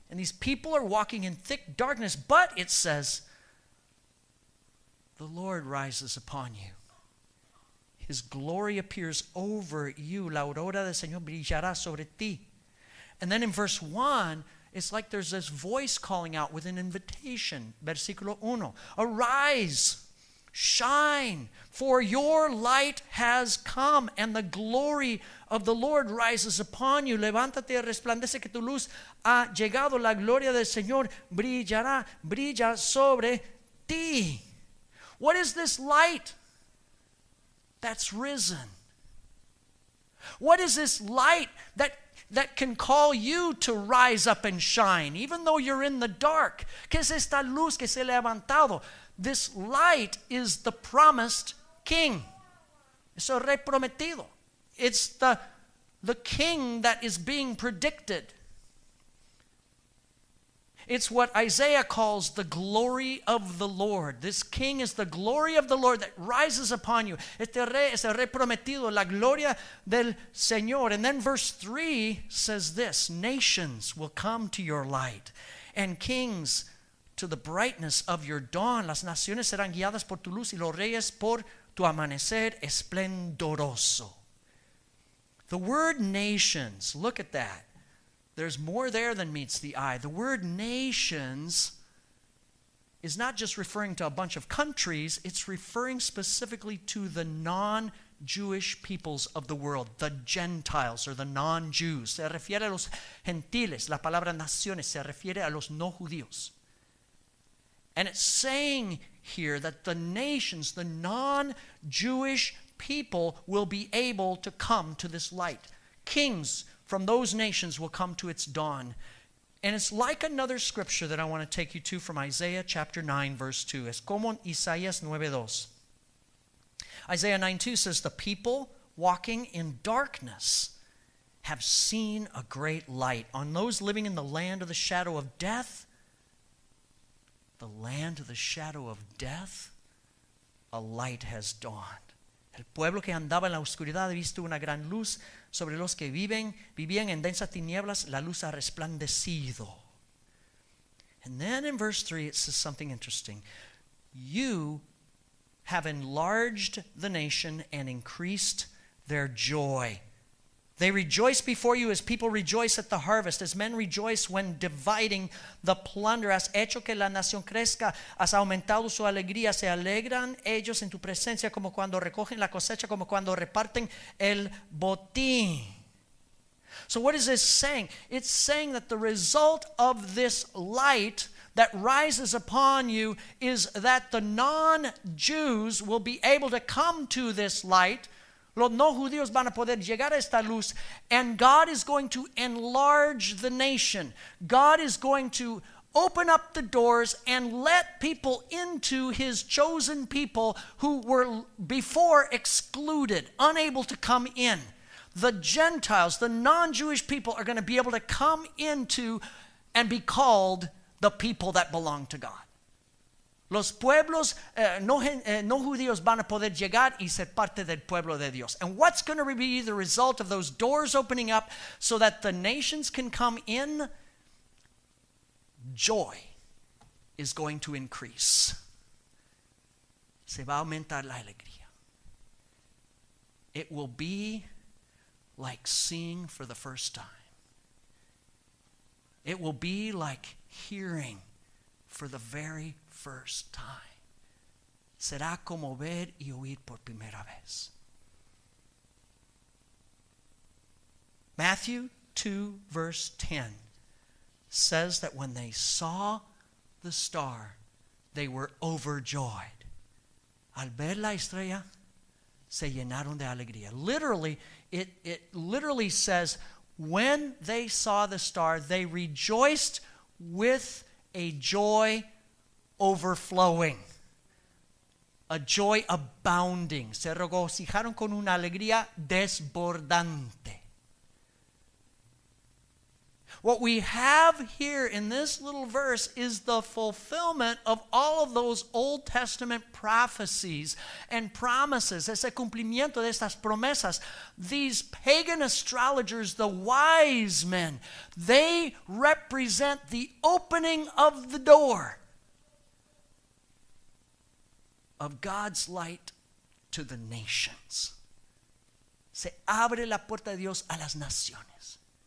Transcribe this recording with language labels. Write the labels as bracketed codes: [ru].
[en] And these people are walking in thick darkness, but it says, the Lord rises upon you. His glory appears over you. [es] La aurora del Señor brillará sobre ti. [en] And then in verse 1, it's like there's this voice calling out with an invitation. [es] Versículo 1, [en] arise, shine, for your light has come, and the glory of the Lord rises upon you. [es] Levántate y resplandece, que tu luz ha llegado, la gloria del Señor brillará, brilla sobre ti. [en] What is this light that's risen? What is this light that can call you to rise up and shine, even though you're in the dark? [es] ¿Qué es esta luz que se ha levantado? [en] This light is the promised king. [es] Eso es prometido. [en] It's the king that is being predicted. It's what Isaiah calls the glory of the Lord. This king is the glory of the Lord that rises upon you. [es] Este rey es el rey prometido, la gloria del Señor. [en] And then verse 3 says this, nations will come to your light and kings to the brightness of your dawn. [es] Las naciones serán guiadas por tu luz y los reyes por tu amanecer esplendoroso. [en] The word nations, look at that. There's more there than meets the eye. The word nations is not just referring to a bunch of countries, it's referring specifically to the non-Jewish peoples of the world, the Gentiles or the non-Jews. [es] Se refiere a los gentiles. La palabra naciones se refiere a los no judíos. [en] And it's saying here that the nations, the non-Jewish people, will be able to come to this light. Kings from those nations will come to its dawn. And it's like another scripture that I want to take you to from Isaiah chapter 9, verse 2. [es] Es como en Isaías 9:2. [en] Isaiah 9:2 says, the people walking in darkness have seen a great light. On those living in the land of the shadow of death, the land of the shadow of death, a light has dawned. [es] El pueblo que andaba en la oscuridad ha visto una gran luz. Sobre los que vivían en densas tinieblas, la luz ha resplandecido. [en] And then in verse 3, it says something interesting. You have enlarged the nation and increased their joy. They rejoice before you as people rejoice at the harvest, as men rejoice when dividing the plunder. [es] Has hecho que la nación crezca, has aumentado su alegría. Se alegran ellos en tu presencia como cuando recogen la cosecha, como cuando reparten el botín. [en] So what is this saying? It's saying that the result of this light that rises upon you is that the non-Jews will be able to come to this light. [es] Los no judíos van a poder llegar a esta luz, [en] and God is going to enlarge the nation. God is going to open up the doors and let people into his chosen people who were before excluded, unable to come in. The Gentiles, the non-Jewish people, are going to be able to come into and be called the people that belong to God. [es] Los pueblos no judíos van a poder llegar y ser parte del pueblo de Dios. [en] And what's going to be the result of those doors opening up so that the nations can come in? Joy is going to increase. [es] Se va a aumentar la alegría. [en] It will be like seeing for the first time. It will be like hearing for the very first time. [es] Será como ver y oír por primera vez. [en] Matthew 2 verse 10 says that when they saw the star, they were overjoyed. [es] Al ver la estrella, se llenaron de alegría. [en] Literally, it literally says, when they saw the star, they rejoiced with a joy overflowing, a joy abounding. [es] Se regocijaron con una alegría desbordante. [en] What we have here in this little verse is the fulfillment of all of those Old Testament prophecies and promises. [es] Ese cumplimiento de estas promesas. [en] These pagan astrologers, the wise men, they represent the opening of the door of God's light to the nations. [es] Se abre la puerta de Dios a las naciones.